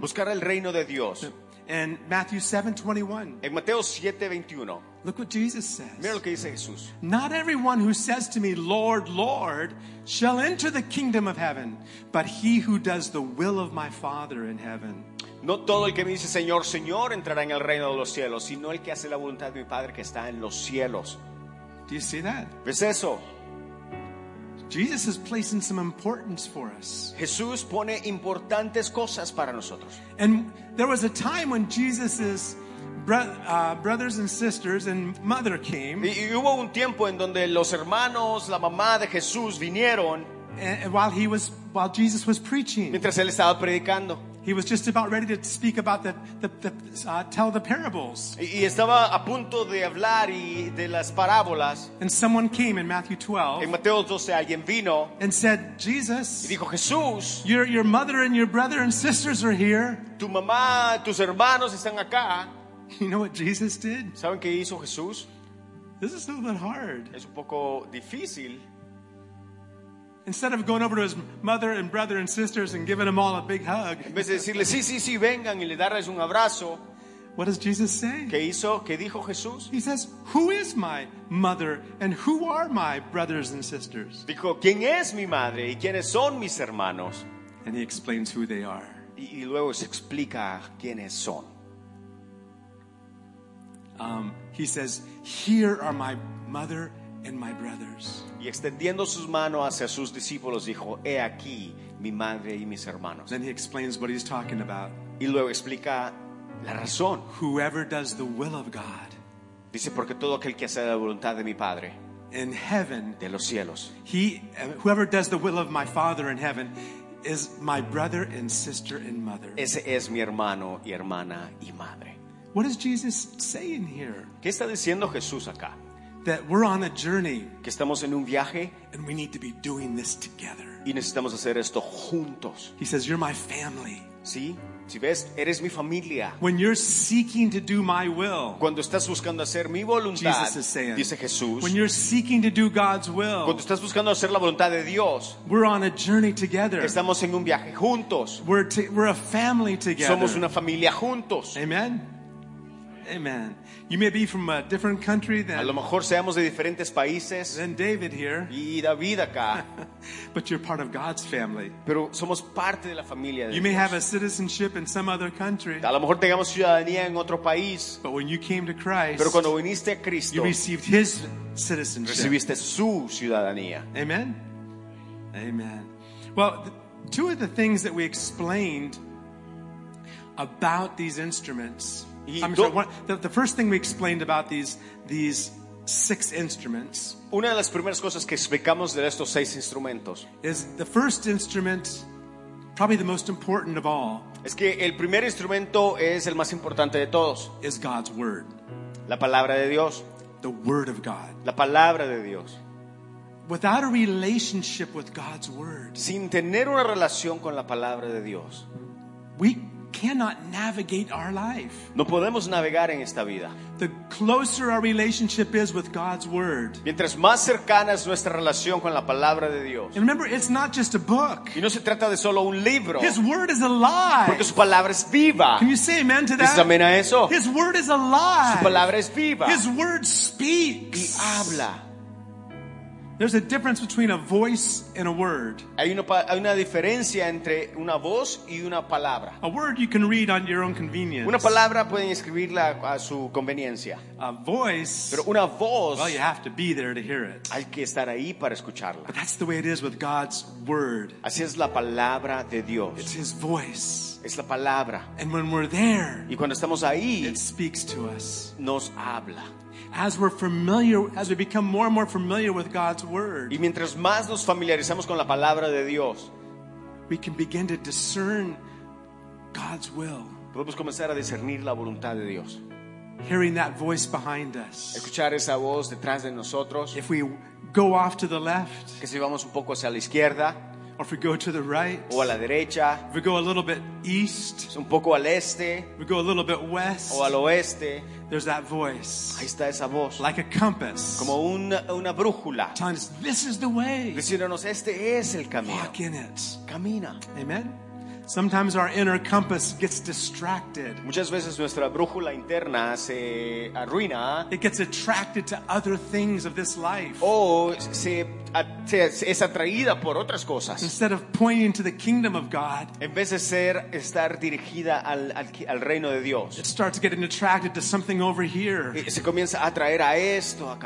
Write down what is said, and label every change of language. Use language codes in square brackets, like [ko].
[es] Buscar el reino de Dios. [en] And Matthew 7:21. [es] En Mateo 7:21. [en] Look what Jesus says. [es] Mira lo que dice Jesús. [en] Not everyone who says to me, Lord, Lord, shall enter the kingdom of heaven, but he who does the will of my Father in heaven. [es] No todo el que me dice Señor, Señor entrará en el reino de los cielos, sino el que hace la voluntad de mi Padre que está en los cielos. [en] Do you see that? [es] ¿Ves eso? [en] Jesus is placing some importance for us. [es] Jesús pone importantes cosas para nosotros. [en] And there was a time when Jesus's brothers and sisters and mother came. [es] Y hubo un tiempo en donde los hermanos, la mamá de Jesús vinieron. [en] While Jesus was preaching. [es] Mientras él estaba predicando. [en] He was just about ready to speak about tell the parables. [es] Y estaba a punto de hablar y de las parábolas. [en] And someone came in Matthew 12. [es] En Mateo 12 alguien vino. [en] And said, Jesus. [es] Y dijo Jesús. [en] Your mother and your brother and sisters are here. [es] Tu mamá, tus hermanos están acá. [en] You know what Jesus did? [es] ¿Saben qué hizo Jesús? [en] This is a little bit hard. [es] Es un poco difícil. [en] Instead of going over to his mother and brother and sisters and giving them all a big hug. [es] En vez de decirle sí, sí, sí, vengan y le darles un abrazo. [en] What does Jesus say? [es] ¿Qué hizo? ¿Qué dijo Jesús? [en] He says, "Who is my mother and who are my brothers and sisters?" [es] Dijo, ¿quién es mi madre y quiénes son mis hermanos? [en] And he explains who they are. [es] Y luego se explica quiénes son. [en] He says, "Here are my mother and my brothers." [es] Y extendiendo sus manos hacia sus discípulos, dijo, "He aquí mi madre y mis hermanos." [en] Then he explains what he's talking about. [es] Y luego explica la razón. [en] Whoever does the will of God. [es] Dice, porque todo aquel que hace la voluntad de mi Padre. [en] In heaven. [es] De los cielos. [en] Whoever does the will of my Father in heaven is my brother and sister and mother. [es] Ese es mi hermano y hermana y madre. [en] What is Jesus saying here? [es] ¿Qué está diciendo Jesús acá? [en] That we're on a journey. [es] Que estamos en un viaje. [en] And we need to be doing this together. [es] Y necesitamos hacer esto juntos. [en] He says, "You're my family." [es] Sí, si ves, eres mi familia. [en] When you're seeking to do my will. [es] Cuando estás buscando hacer mi voluntad. [en] Jesus is saying. [es] Dice Jesús. [en] When you're seeking to do God's will. [es] Cuando estás buscando hacer la voluntad de Dios. [en] We're on a journey together. [es] Estamos en un viaje juntos. [en] We're a family together. [es] Somos una familia juntos. [en] Amen. Amen. You may be from a different country than. [es] A lo mejor seamos de diferentes países. [en] Than David here. [es] Y David acá. [en] But you're part of God's family. [es] Pero somos parte de la familia de Dios. [en] You may have a citizenship in some other country. [es] A lo mejor tengamos ciudadanía en otro país. [en] But when you came to Christ. [es] Pero cuando viniste a Cristo. [en] You received His citizenship. [es] Recibiste su ciudadanía. [en] Amen. Amen. Well, two of the things that we explained about these instruments. The first thing we explained about these six instruments. [es] Una de las primeras cosas que explicamos de estos seis instrumentos [en] is the first instrument, probably the most important of all. [es] Es que el primer instrumento es el más importante de todos. [en] Is God's word. [es] La palabra de Dios. [en] The word of God. [es] La palabra de Dios. [en] Without a relationship with God's word. [es] Sin tener una relación con la palabra de Dios. [en] We cannot navigate our life. [es] No podemos navegar en esta vida. [en] The closer our relationship is with God's word. [es] Mientras más cercana es nuestra relación con la palabra de Dios. [en] And remember, it's not just a book. [es] Y no se trata de solo un libro. [en] His word is alive. [es] Porque su palabra es viva. [en] Can you say amen to that? [es] ¿Dices amén a eso? [en] His word is alive. [es] Su palabra es viva. [en] His word speaks. [es] Y habla. [en] There's a difference between a voice and a word. [es] Hay una diferencia entre una voz y una palabra. [en] A word you can read on your own convenience. [es] Una palabra pueden escribirla a su conveniencia. [en] A voice. [es] Pero una voz. [en] Well, you have to be there to hear it. [es] Hay que estar ahí para escucharla. [en] But that's the way it is with God's word. [es] Así es la palabra de Dios. [en] It's His voice. [es] Es la palabra. [en] And when we're there. [es] Y cuando estamos ahí. [en] It speaks to us. [es] Nos habla. [en] As we become more and more familiar with God's word. [es] Y mientras más nos familiarizamos con la palabra de Dios. [en] We can begin to discern God's will. [es] Podemos comenzar a discernir la voluntad de Dios. [en] Hearing that voice behind us. [es] Escuchar esa voz detrás de nosotros. [en] If we go off to the left. [es] Que si vamos un poco hacia la izquierda. [en] Or if we go to the right. [es] O a la derecha. [en] If we go a little bit east. [es] Un poco al este. [en] If we go a little bit west. [es] O al oeste. [en] There's that voice. [es] Ahí está esa voz. [en] Like a compass. [es] Como una brújula. [en] Telling us, this is the way. [es] Diciéndonos, este es el camino. [en] Walk in it. [es] Camina. [en] Amen. Sometimes our inner compass gets distracted. [es] Muchas veces nuestra brújula interna se arruina. [en] It gets attracted to other things of this life. [es] O es atraída por otras cosas. [en] Instead of pointing to the kingdom of God. [es] En vez de estar dirigida al reino de Dios. [en] It starts getting attracted to something over here. [es] Y se comienza a atraer a esto acá.